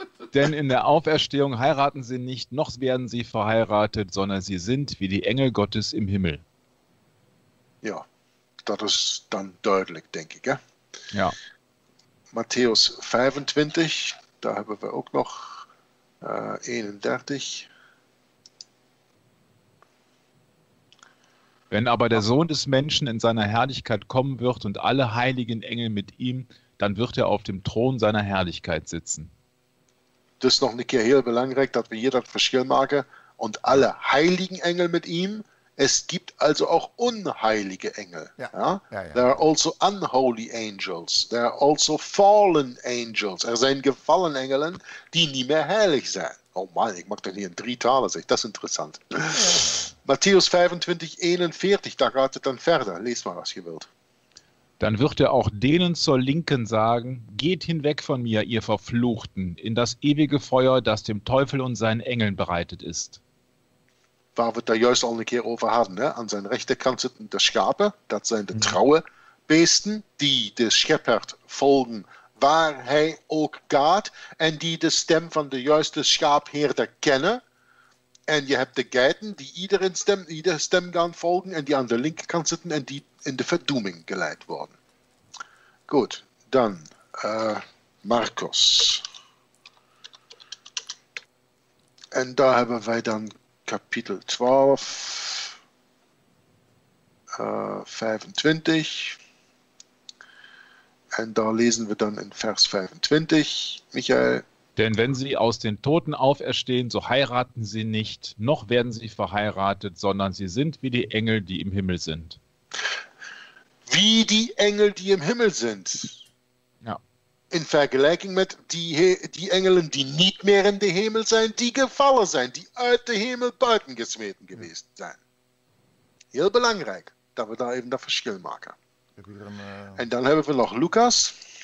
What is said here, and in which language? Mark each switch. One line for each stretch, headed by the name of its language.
German: Denn in der Auferstehung heiraten sie nicht, noch werden sie verheiratet, sondern sie sind wie die Engel Gottes im Himmel. Ja.
Dutch: Dat is dan duidelijk, denk ik. Hè? Ja. Matthäus 25, daar hebben we ook nog 31.
German: Wenn aber der Sohn des Menschen in seiner Herrlichkeit kommen wird und alle heiligen Engel mit ihm, dann wird auf dem Thron seiner Herrlichkeit sitzen. Das ist noch eine
Dutch: keer heel belangrijk, dat we hier dat verschil maken.
German: Und alle heiligen Engel mit ihm. Es gibt also auch unheilige Engel. Ja. Ja?
English: There are also unholy angels. There are also fallen angels.
Dutch: Er zijn gefallen Engelen, die niet meer heilig zijn. Oh man, ik mag dat hier in drie talen zeggen. Dat is interessant. Ja. Matthäus 25, 41, daar gaat het dan verder. Lees maar als je wilt.
German: Dann wird auch denen zur Linken sagen, geht hinweg von mir, ihr Verfluchten, in das ewige Feuer, das dem Teufel und seinen Engeln bereitet ist.
Dutch: Waar we het daar juist al een keer over hadden. Hè? Aan zijn rechterkant zitten de schapen. Dat zijn de trouwe beesten. Die de schepper volgen waar hij ook gaat. En die de stem van de juiste schaapheerder kennen. En je hebt de geiten die iedere stem gaan volgen. En die aan de linkerkant zitten. En die in de verdoeming geleid worden. Goed, dan Marcus. En daar hebben wij dan Kapitel 12, 25. En daar lesen we dan in vers 25, Michael.
German: Denn wenn sie aus den Toten auferstehen, so heiraten sie nicht, noch werden sie verheiratet, sondern sie sind wie die Engel, die im Himmel sind. Wie die Engel, die im Himmel sind. Ja.
Dutch: In vergelijking met die engelen die niet meer in de hemel zijn, die gevallen zijn, die uit de hemel buiten gesmeten geweest zijn. Heel belangrijk dat we daar even dat verschil maken. En dan hebben we nog Lucas.